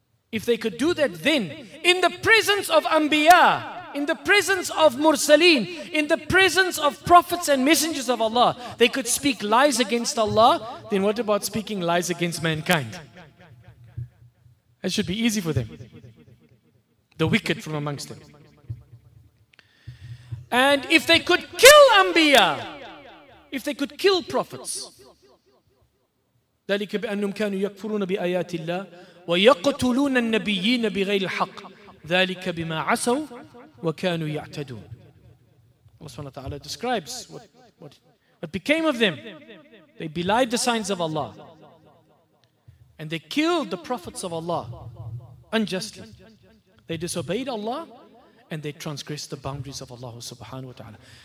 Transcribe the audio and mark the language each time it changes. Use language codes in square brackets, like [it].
[en] If they could do that, then in the presence of Anbiya, in the presence of Mursaleen, in the presence of prophets and messengers of Allah, they could speak lies against Allah, then what about speaking lies against mankind? That should be easy for them. The wicked from amongst them. And if they could kill Anbiya, if they could kill prophets, [ar] ذَلِكَ بِأَنُّمْ كَانُوا يَكْفُرُونَ بِآيَاتِ اللَّهِ وَيَقْتُلُونَ النَّبِيِّينَ بِغَيْرِ الْحَقِّ ذَلِكَ بِمَا عَسَوْا وَكَانُوا يَعْتَدُونَ. [en] Allah subhanahu wa ta'ala describes what became of them. They belied the signs of Allah. And they killed the prophets of Allah unjustly. They disobeyed Allah and they transgressed the boundaries of Allah subhanahu wa ta'ala.